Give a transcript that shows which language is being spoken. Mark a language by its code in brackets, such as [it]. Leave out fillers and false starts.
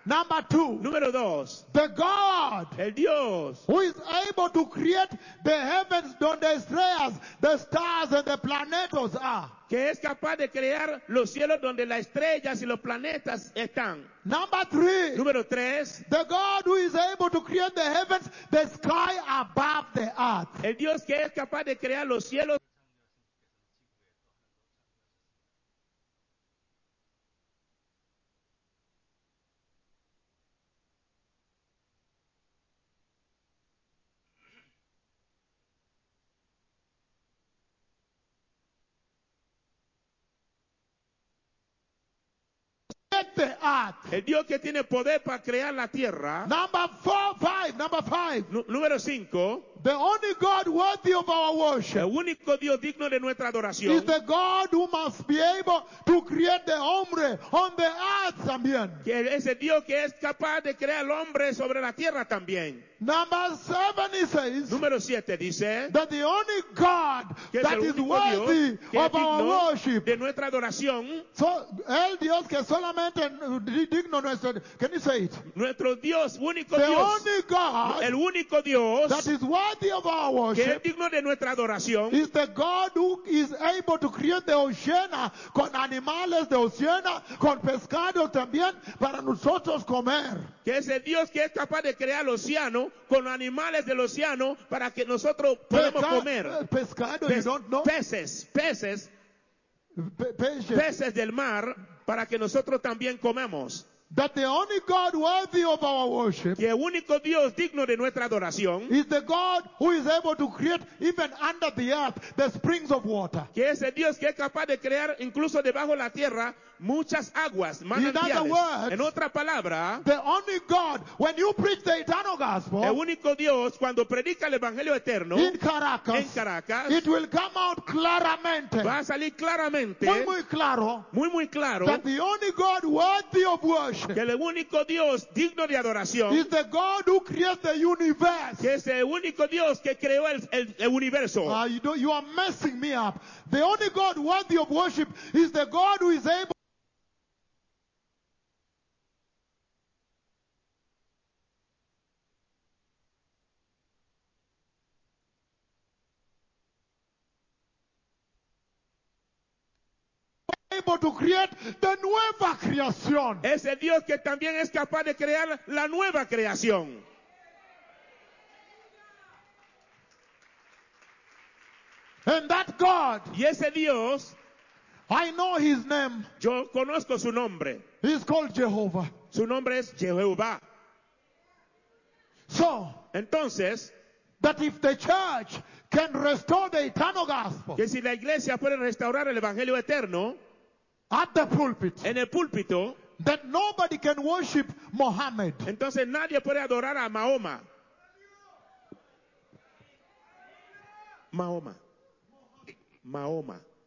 [en] Number two. [es] Número dos. [en] The God. [es] El Dios. [en] Who is able to create the heavens [es] donde estrellas, [en] the stars and the planetos are. [es] Que es capaz de crear los cielos donde las estrellas y los planetas están. [en] Number three. [es] Número tres. [en] The God who is able to create the heavens, the sky above the earth. [es] El Dios que es capaz de crear los cielos. El Dios que tiene poder para crear la tierra. [en] Number five. [es] Número cinco. [en] The only God worthy of our worship. [es] El único Dios digno de nuestra adoración. [en] Is the God who must be able to create the hombre on the earth también. [es] Que es el Dios que es capaz de crear el hombre sobre la tierra también. [en] Number seven, he says. [es] Número siete dice. [en] That the only God that is worthy of our worship. [es] De nuestra adoración. So, el Dios que solamente digno nuestro. [en] Can you say it? [es] Nuestro Dios, único [en] the [es] Dios. [en] The only God. [es] El único Dios. [en] That is worthy of our worship. [es] Que es digno de nuestra adoración. [en] Is the God who is able to create the oceana [es] con animales de oceana, con pescado también para nosotros comer. Que es el Dios que es capaz de crear el océano con animales del océano para que nosotros podamos comer. [en] Pescado, you don't know? [es] Peces. Peces del mar para que nosotros también comemos. [en] That the only God worthy of our worship. [es] Que el único Dios digno de nuestra adoración. [en] Is the God who is able to create even under the earth the springs of water. [es] Que es el Dios que es capaz de crear incluso debajo la tierra muchas aguas, manantiales. [en] In other words, [es] en otra palabra, [en] the only God, when you preach the eternal gospel, [es] el único Dios cuando predica el evangelio eterno, en Caracas, [en] it will come out claramente, [es] va a salir claramente, muy muy claro, muy muy claro, [en] that the only God worthy of worship. adoration. [es] Que el único Dios digno de adoración. [en] Is the God who created the universe. [es] Que es el único Dios que creó el universo. [en] You are messing me up. The only God worthy of worship is the God who is able. To create the [es] nueva creación. Ese Dios que también es capaz de crear la nueva creación. [en] And that God, [es] y ese Dios, [en] I know his name. [es] Yo conozco su nombre. [en] He's called Jehovah. [es] Su nombre es Jehová. [en] So, [es] entonces, [en] that if the church can restore the eternal gospel, [es] que si la iglesia puede restaurar el evangelio eterno, [en] at the pulpit, [es] en el púlpito, [en] that nobody can worship Muhammad. [es] Entonces nadie puede adorar a Mahoma. Mahoma. Mahoma.